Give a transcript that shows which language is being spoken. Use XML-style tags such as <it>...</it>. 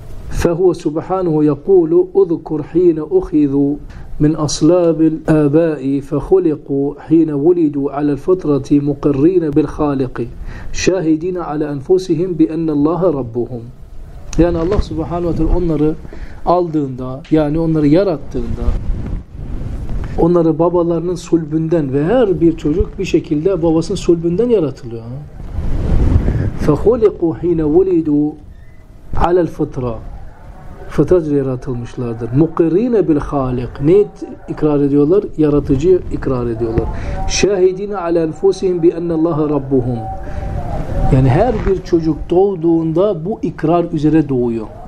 <ar>Fehu subhanahu yekulu uzkur hine uhidhu من أصلاب الآباء فخلقوا حين ولدوا على الفطرة مقرين بالخالق شاهدين على أنفسهم بأن الله ربهم.</ar> <tr>Yani Allah Subhanahu ve Teala onları aldığında, yani onları yarattığında, onları babalarının sulbünden ve her bir çocuk bir şekilde babasının sulbünden yaratılıyor.</tr> <ar>فخلقوا حين ولدوا على الفطرة.</ar> <tr>fıtratla yaratılmışlardır.</tr> <ar>Mukirine bil halik.</ar> <tr>Ne ikrar ediyorlar? Yaratıcı ikrar ediyorlar.</tr> <ar>Şahidine ala enfusihim bi ennallaha rabbuhum.</ar> <tr>Yani her bir çocuk doğduğunda bu ikrar üzere doğuyor.</tr>